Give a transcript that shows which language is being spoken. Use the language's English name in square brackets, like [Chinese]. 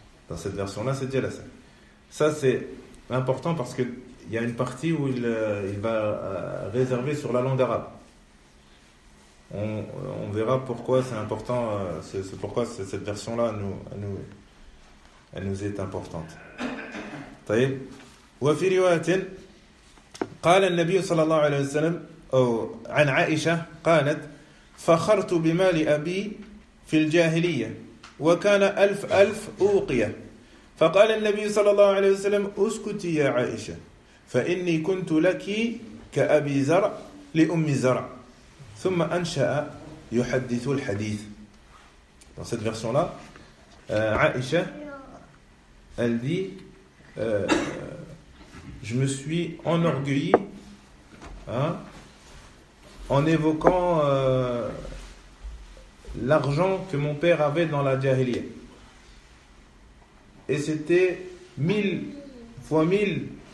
[French] Dans cette version là, c'est jalasa. Ça c'est important parce que il y a une partie où il va réserver sur la langue arabe. On verra pourquoi c'est important, c'est pourquoi c'est cette version-là elle nous est importante. [Arabic] طيب وفي رواية قال النبي صلى الله عليه وسلم عن عائشة قالت فخرت بمال أبي في الجاهلية وكان ألف ألف أوقية فقال النبي صلى الله عليه وسلم اسكتي يا عائشة فإني كنت لك كأبي زرع لأم زرع ثم أنشأ يحدث الحديث. [French] Dans cette version là, Aïcha, elle dit je me suis enorgueillie hein, en évoquant l'argent que mon père avait dans la jahiliya, et c'était 1000 fois 1000.